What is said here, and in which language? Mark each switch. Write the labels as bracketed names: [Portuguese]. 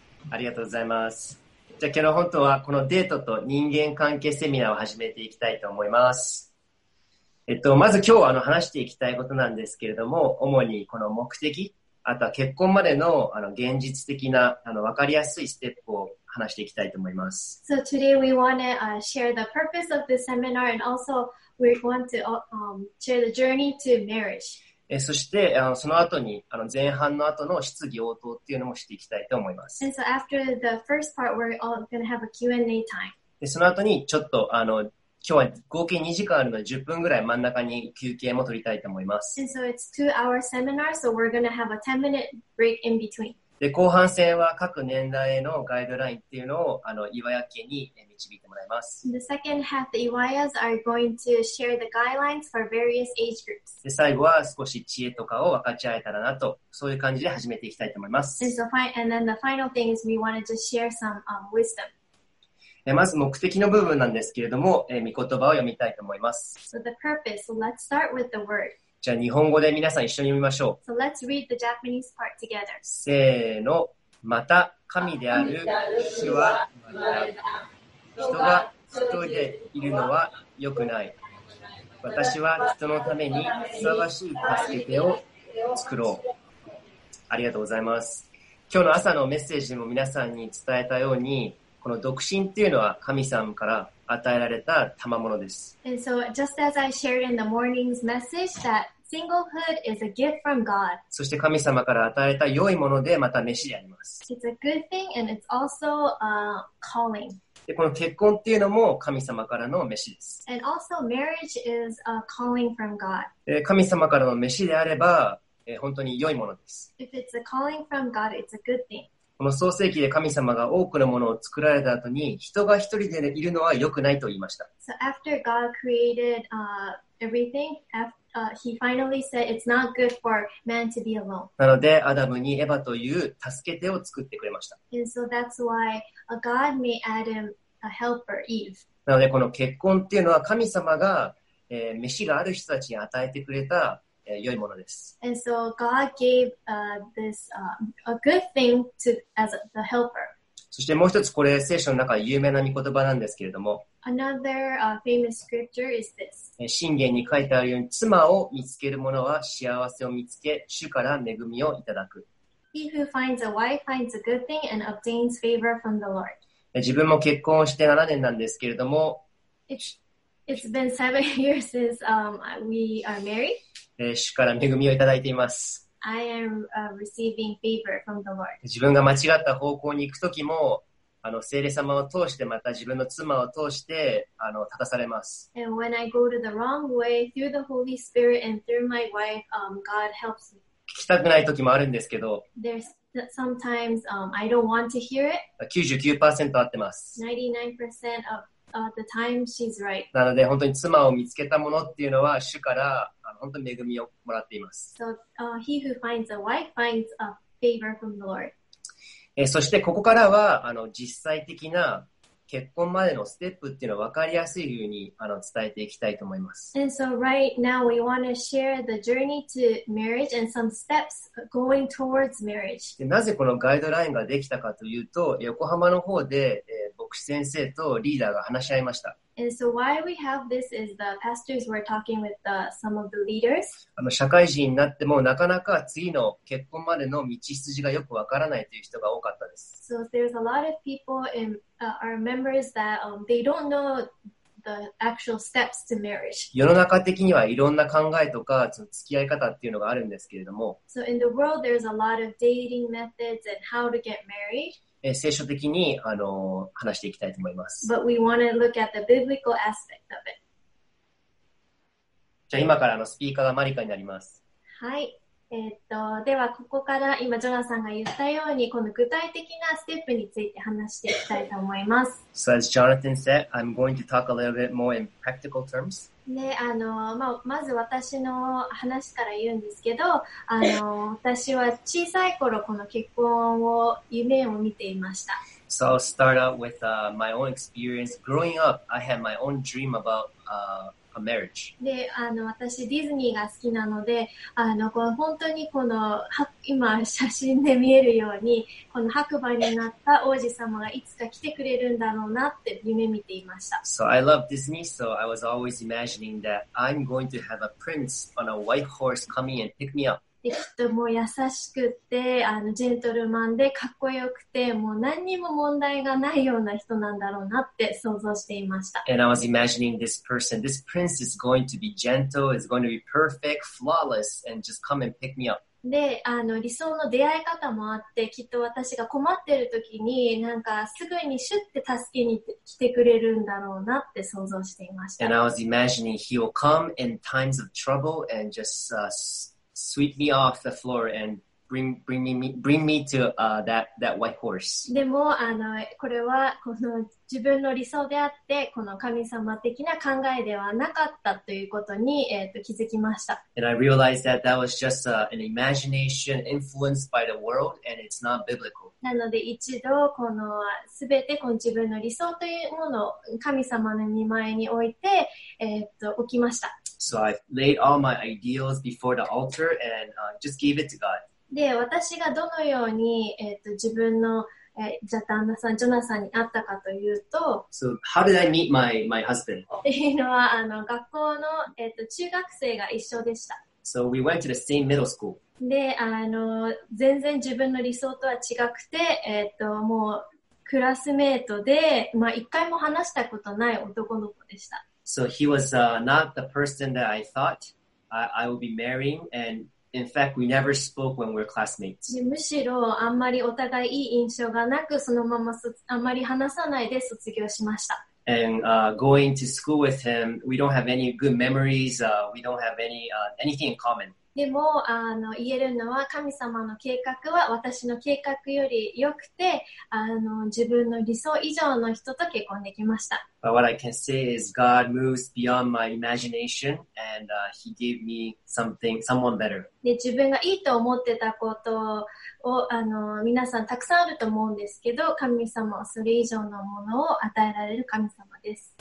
[Japanese] ありがとうございます。じゃあ今日の本当はこのデートと人間関係セミナーを始めていきたいと思います。まず今日話していきたいことなんですけれども、主にこの目的、あとは結婚までの現実的な分かりやすいステップを話していきたいと思います。 [English] So today we want to share the purpose of this seminar and also we want to share the journey to marriage. [Japanese] そして、その後に、前半の後の質疑応答っていうのもしていきたいと思います。 [English] And so after the first part, we're all going to have a Q&A time. [Japanese] で、その後に、ちょっと、今日は合計2時間あるので、10分ぐらい真ん中に休憩も取りたいと思います。 [English] And so it's 2-hour seminar, so we're going to have a 10-minute break in between. [Japanese] で、後半戦は各年代へのガイドラインっていうのを、岩屋家に導いてもらいます。 [English] The second half, the Iwayas are going to share the guidelines for various age groups. [Japanese] で、最後は少し知恵とかを分かち合えたらなと、そういう感じで始めていきたいと思います。 [English] And then the final thing is we want to just share some wisdom. [Japanese] まず目的の部分なんですけれども、御言葉を読みたいと思います。 [English] So the purpose, let's start with the word. [Japanese] じゃあ日本語で皆さん一緒に読みましょ [English] So let's read the Japanese part together. [Japanese] せーの、また神である主は、人が一人でいるのは良くない。私は人のためにふさわしい助け手を作ろう。ありがとうございます。今日の朝のメッセージでも皆さんに伝えたように、この独身っていうのは神様から与えられた賜物です。 [English] And so just as I shared in the morning's message that singlehood is a gift from God. [Japanese] そして神様から与えた良いものでまた召しであります。 [English] It's a good thing and it's also a calling. [Japanese] で、この結婚っていうのも神様からの召しです。 [English] And also marriage is a calling from God. [Japanese] 神様からの召しであれば、本当に良いものです。 [English] If it's a calling from God, it's a good thing. [Japanese] この創世記で神様が多くのものを作られた後に、人が一人でいるのは良くないと言いました。 [English] So after God created everything, he finally said it's not good for man to be alone. [Japanese] なので、アダムにエヴァという助け手を作ってくれました。 [English] And so that's why God made Adam a helper, Eve. [Japanese] なので、この結婚っていうのは神様が、飯がある人たちに与えてくれた、良いものです。 [English] And so God gave this a good thing to as the helper. [Japanese] そしてもう一つ、これ聖書の中で有名な御言葉なんですけれども、 [English] Another famous scripture is this. [Japanese] 箴言に書いてあるように、妻を見つける者は幸せを見つけ、主から恵みをいただく。 [English] He who finds a wife finds a good thing and obtains favor from the Lord. [Japanese] 自分も結婚をして7年なんですけれども、 [English] It's been 7 years since we are married. [Japanese] 主から恵みをいただいています。 [English] I am receiving favor from the Lord. [Japanese] 自分が間違った方向に行くときも、聖霊様を通して、また自分の妻を通して立たされます。聞きたくない時もあるんですけど、 [English] There's sometimes, I don't want to hear it. [Japanese] 99% 合ってます。 [English] 99% of the time she's right. [Japanese] なので、本当に妻を見つけたものっていうのは主から本当に恵みをもらっています。 [English] So, he who finds a wife finds a favor from the Lord. [Japanese] そしてここからは実際的な結婚までのステップっていうのを分かりやすいように伝えていきたいと思います。 [English] And so right now we want to share the journey to marriage and some steps going towards marriage. [Japanese] で、なぜこのガイドラインができたかというと、横浜の方で、牧師先生とリーダーが話し合いました。 [English] And so why we have this is the pastors were talking with some of the leaders. [Japanese] 社会人になってもなかなか次の結婚までの道筋がよく分からないという人が多かったです。 [English] So there's a lot of people in our members that they don't know the actual steps to marriage. [Japanese] 世の中的にはいろんな考えとか付き合い方っていうのがあるんですけれども、 [English] So in the world there's a lot of dating methods and how to get married. [Japanese] 聖書的に話していきたいと思います。 [English] But we want to look at the biblical aspect of it. [Japanese] じゃあ今からスピーカーがマリカになります。はい。ではここから今ジョナさんが言ったように、この具体的なステップについて話していきたいと思います。 [English] So as Jonathan said, I'm going to talk a little bit more in practical terms. [Japanese] ね、まず私の話から言うんですけど、私は小さい頃この結婚を夢を見ていました。 [English] So I'll start out with my own experience. Growing up, I had my own dream about a marriage. [Japanese] で、私ディズニーが好きなので、本当にこの今写真で見えるようにこの白馬になった王子様がいつか来てくれるんだろうなって夢見ていました。 [English] So I love Disney, so I was always imagining that I'm going to have a prince on a white horse coming and pick me up. [Japanese] で、きっともう優しくって、ジェントルマンでかっこよくて、もう何にも問題がないような人なんだろうなって想像していました。 [English] And I was imagining this person, this prince is going to be gentle, is going to be perfect, flawless, and just come and pick me up. [Japanese] で、理想の出会い方もあって、きっと私が困ってる時に、なんかすぐにシュッて助けに来てくれるんだろうなって想像していました。 [English] And I was imagining he will come in times of trouble and just, sweep me off the floor and bring me to that white horse. [Japanese] でもこれはこの自分の理想であってこの神様的な考えではなかったということに気づきました。 [English] And I realized that that was just an imagination influenced by the world and it's not biblical. [Japanese] なので一度このすべてこの自分の理想というものを神様の御前に置いて置きました。 [English] So I laid all my ideals before the altar and just gave it to God. [Japanese] で、私がどのように、自分の、じゃ旦那さん、ジョナサンに会ったかというと、 [English] So how did I meet my husband? [Japanese] っていうのは、学校の、中学生が一緒でした。 [English] So we went to the same middle school. [Japanese] で、全然自分の理想とは違くて、もうクラスメートで、まあ一回も話したことない男の子でした。 [English] So he was not the person that I thought I would be marrying, and in fact, we never spoke when we were classmates. [Japanese] むしろあんまりお互いいい印象がなく、そのままあんまり話さないで卒業しました。 [English] And going to school with him, we don't have any good memories. We don't have anything in common. [Japanese] でも言えるのは神様の計画は私の計画より良くて自分の理想以上の人と結婚できました。 [English] But what I can say is God moves beyond my imagination and he gave me someone better. [Japanese] で自分がいいと思ってたことを皆さんたくさんあると思うんですけど神様はそれ以上のものを与えられる神様です。